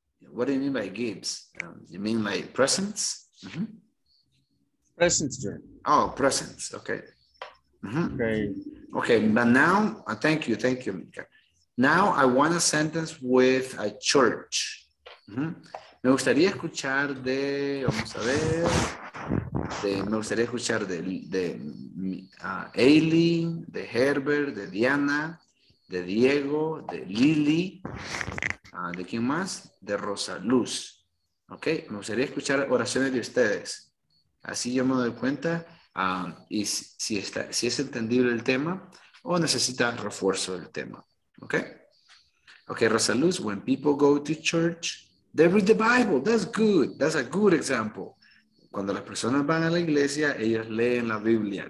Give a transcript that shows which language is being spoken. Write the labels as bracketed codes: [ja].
[en] What do you mean by gifts? You mean like presents? Mm-hmm. Presents, sir. Oh, presents, okay. Mm-hmm. Okay, but now, thank you, Amilcar. Now I want a sentence with a church. Mm-hmm. [es] Me gustaría escuchar de, vamos a ver, de Aileen, de Herbert, de Diana, de Diego, de Lily, ¿de quién más? De Rosa Luz. Ok, me gustaría escuchar oraciones de ustedes. Así yo me doy cuenta y si es entendible el tema o necesita refuerzo del tema. Ok. [en] Ok, Rosa Luz, when people go to church, they read the Bible. That's good. That's a good example. [es] Cuando las personas van a la iglesia, ellos leen la Biblia.